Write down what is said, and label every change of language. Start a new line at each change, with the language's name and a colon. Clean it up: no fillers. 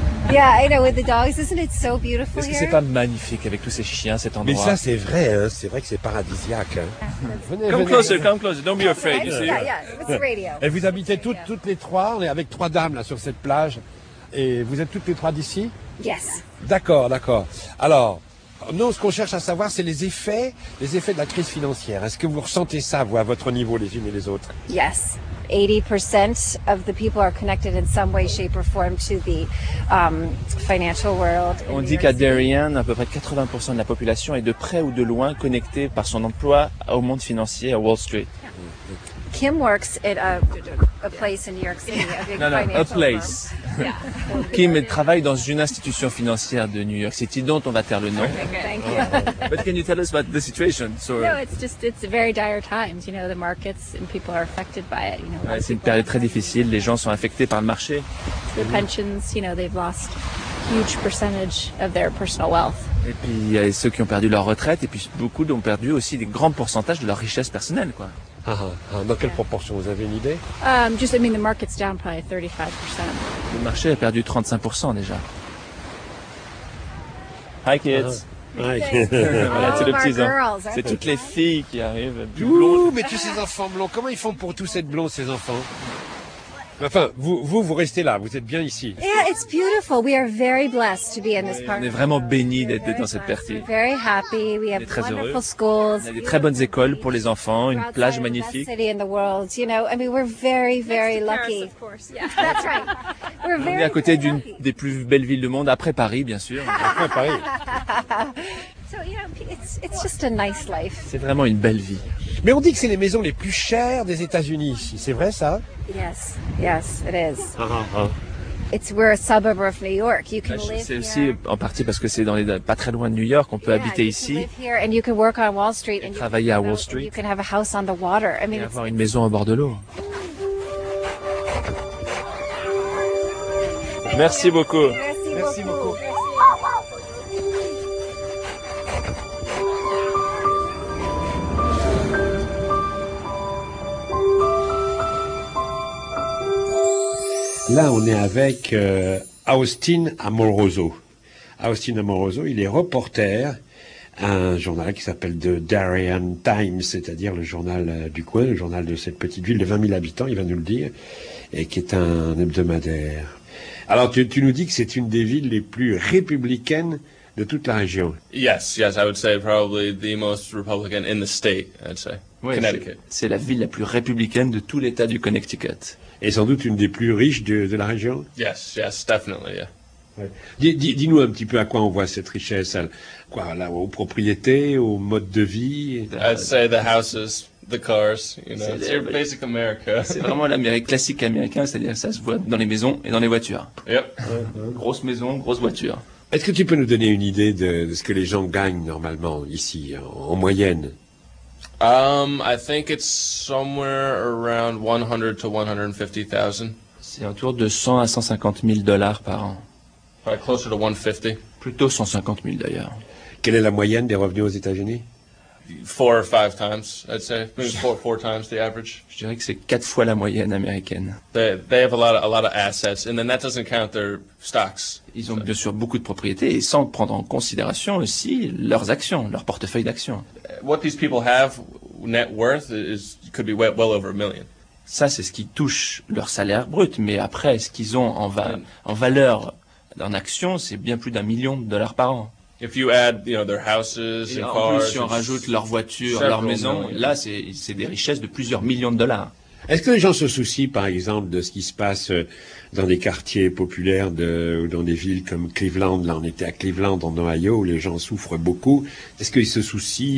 English: Yeah, I know, with the dogs, isn't it so beautiful?
French: Est-ce que c'est pas magnifique avec tous ces chiens, cet endroit? Mais ça, c'est vrai, hein? C'est vrai que c'est paradisiaque. Hein?
English: Come closer, don't be afraid. Yeah, yeah, it's the radio.
French: Et vous habitez toutes les trois, on est avec trois dames là sur cette plage. Et vous êtes toutes les trois d'ici?
English: Yes.
French: D'accord. Alors, nous, ce qu'on cherche à savoir, c'est les effets de la crise financière. Est-ce que vous ressentez ça, vous, à votre niveau, les unes et les autres?
English: Yes. 80% of the people are connected in some way, shape or form to the financial world.
French: On dit qu'à Darien, à peu près 80% de la population est de près ou de loin connectée par son emploi au monde financier, à Wall Street.
English: Kim works at a place in New York City, a big financial firm. No, a place.
French: qui travaille dans une institution financière de New York City dont on va taire le nom.
English: Okay, but can you tell us about the situation? So, no, it's just it's very dire times. You know, the markets and people are affected by it. You know,
French: ouais, c'est une période très difficile. Les gens sont affectés par le marché.
English: The pensions, you know, they've lost huge percentage of their personal wealth.
French: Et puis il y a ceux qui ont perdu leur retraite et puis beaucoup ont perdu aussi des grands pourcentages de leur richesse personnelle, quoi. Dans quelle proportion, vous avez une idée?
English: Just, I mean, the market's down probably 35%.
French: Le marché a perdu 35% déjà.
English: Hi kids.
French: Voilà, c'est le petit, hein. C'est toutes les filles qui arrivent. Mais tous ces enfants blonds, comment ils font pour tous être blonds, ces enfants? Enfin, vous restez là, vous êtes bien ici.
English: Yeah, it's beautiful. We are very blessed to be in this part.
French: On est vraiment bénis d'être dans cette partie.
English: We're very happy. We have wonderful schools.
French: On a des très bonnes écoles pour les enfants, une plage magnifique.
English: City in the world, you know. I mean, we're very, very lucky. That's right. We're very.
French: On est à côté d'une des plus belles villes du monde, après Paris, bien sûr. Après Paris.
English: It's just a nice life.
French: C'est vraiment une belle vie. Mais on dit que c'est les maisons les plus chères des États-Unis ici. C'est vrai ça?
English: Yes, yes, it is. It's we're a suburb of New York. You can live.
French: C'est aussi en partie parce que c'est dans les pas très loin de New York, on peut habiter ici.
English: You can live here and you can work on Wall Street
French: and travailler à Wall Street.
English: You can have a house on the water. I mean,
French: avoir une maison au bord de l'eau. Merci beaucoup. Merci beaucoup. Là, on est avec Austin Amoroso. Austin Amoroso, il est reporter à un journal qui s'appelle The Darien Times, c'est-à-dire le journal du coin, le journal de cette petite ville de 20 000 habitants, il va nous le dire, et qui est un hebdomadaire. Alors, tu nous dis que c'est une des villes les plus républicaines de toute la région.
English: Yes, I would say probably the most Republican in the state, I'd say.
French: Oui, Connecticut. C'est la ville la plus républicaine de tout l'État du Connecticut. Et sans doute une des plus riches de la région.
English: Yes, definitely, yeah.
French: Ouais. Dis-nous un petit peu à quoi on voit cette richesse, quoi, là, aux propriétés, au mode de vie.
English: I'd say the houses, the cars, you know, it's your basic America.
French: C'est vraiment l'Amérique classique américaine, c'est-à-dire ça se voit dans les maisons et dans les voitures.
English: Yep.
French: Grosse maison, grosse voiture. Est-ce que tu peux nous donner une idée de ce que les gens gagnent normalement ici, en moyenne?
English: I think it's somewhere around 100 to 150,000.
French: C'est autour de 100 à 150 000 dollars par an.
English: Probably closer to 150.
French: Plutôt 150 000 d'ailleurs. Quelle est la moyenne des revenus aux États-Unis?
English: 4 or 5 times, I'd say. Maybe four times the average.
French: Je dirais que c'est 4 fois la moyenne américaine.
English: They have a lot of assets, and then that doesn't count their stocks.
French: Ils ont bien sûr beaucoup de propriétés, et sans prendre en considération aussi leurs actions, leur portefeuille d'actions.
English: What these people have net worth is could be well over a million.
French: Ça c'est ce qui touche leur salaire brut, mais après ce qu'ils ont en valeur en actions, c'est bien plus d'un million de dollars par an.
English: If you add, you know, their houses and cars.
French: Et en plus, si on rajoute leurs voitures, leurs maisons, là c'est des richesses de plusieurs millions de dollars. Est-ce que les gens se soucient, par exemple, de ce qui se passe dans des quartiers populaires ou dans des villes comme Cleveland? Là, on était à Cleveland, en Ohio, où les gens souffrent beaucoup. Est-ce qu'ils se soucient?